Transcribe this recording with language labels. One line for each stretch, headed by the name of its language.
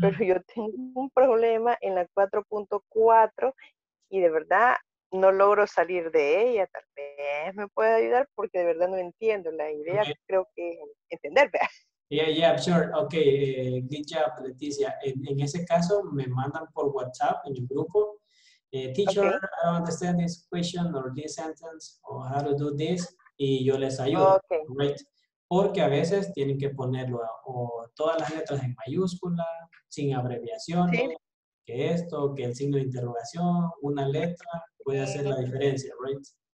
Spanish: Pero yo tengo un problema en la 4.4 y de verdad no logro salir de ella. Tal vez me puede ayudar porque de verdad no entiendo la idea. Okay. Creo que entender, ¿verdad?
English: Yeah, sure. Okay, good job, Leticia.
Spanish: En ese caso, me mandan por WhatsApp en el grupo.
English: Teacher, okay. I don't understand this question or this sentence or how to do this.
Spanish: Y yo les ayudo.
English: Okay. Right.
Spanish: Porque a veces tienen que ponerlo o todas las letras en mayúscula, sin abreviaciones, sí. que esto, que el signo de interrogación, una letra, puede hacer la diferencia, right?